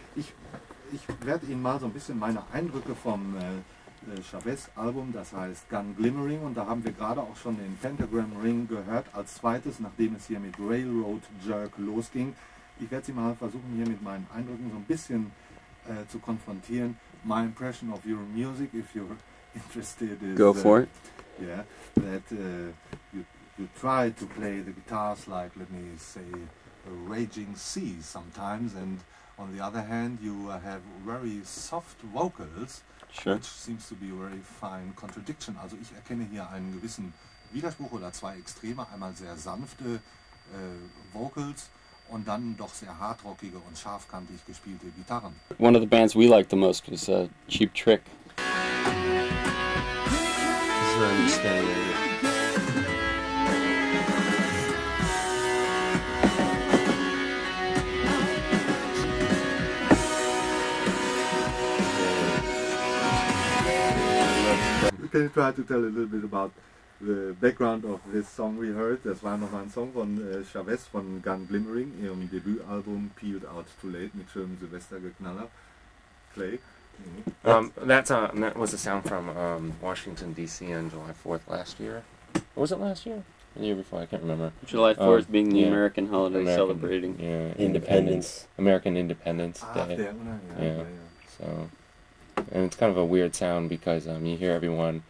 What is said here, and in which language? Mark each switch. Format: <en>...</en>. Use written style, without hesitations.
<de>Ich werde Ihnen mal so ein bisschen meine Eindrücke vom Chavez-Album, das heißt Gun Glimmering, und da haben wir gerade auch schon den Pentagram Ring gehört als zweites, nachdem es hier mit Railroad Jerk losging. Ich werde Sie mal versuchen, hier mit meinen Eindrücken so ein bisschen zu konfrontieren.</de> <en>My impression of your music, if you're interested, is... Go for it. Yeah, that you try to play the guitars like, let me say, a raging sea sometimes, and on the other hand, you have very soft vocals, sure, which seems to be a very fine contradiction.</en> <de>Also ich erkenne hier einen gewissen Widerspruch oder zwei Extreme, einmal sehr sanfte Vocals, und dann doch sehr hartrockige und scharfkantig gespielte Gitarren.</de> <en>One of the bands we liked the most was Cheap Trick. Can you try to tell a little bit about the background of this song we heard?</en> <de>Das war nochmal ein Song von Chavez von Gun Glimmering, ihrem Debütalbum Peeled Out Too Late, mit schönem Silvestergeknaller.</de> <en>Clay? That was a sound from Washington, D.C. on July 4th last year. Or was it last year? The year before, I can't remember. July 4th being the American holiday celebrating. Yeah, Independence. American Independence Day. So, and it's kind of a weird sound because you hear everyone...</en>